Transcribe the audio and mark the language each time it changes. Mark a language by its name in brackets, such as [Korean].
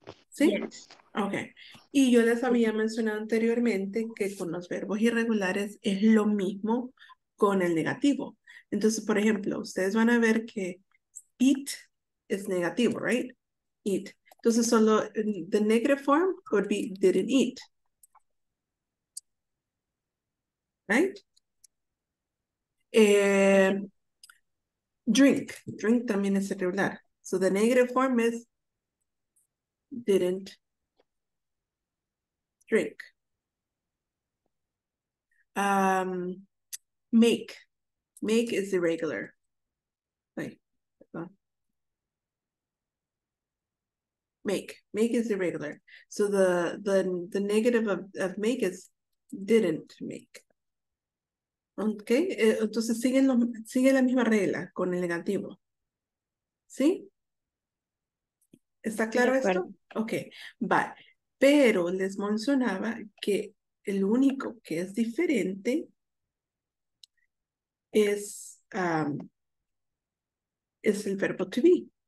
[Spanish] ¿Sí? [English] Yes. [Spanish] Okay. Y yo les había mencionado anteriormente que con los verbos irregulares es lo mismo con el negativo. Entonces, por ejemplo, ustedes van a ver que eat es negativo, [English] right? Eat. [Spanish] Entonces, solo [English] the negative form would be didn't eat. Right? Drink. Drink [Spanish] también es irregular. [English] So the negative form is didn't drink. Make. Make is irregular. Make is irregular. So the negative of make is didn't make. Okay? [Spanish] Entonces sigue la misma regla con el negativo. ¿Sí? ¿Está claro esto? Okay. Vale. Pero les mencionaba que el único que es diferente es el verbo to be.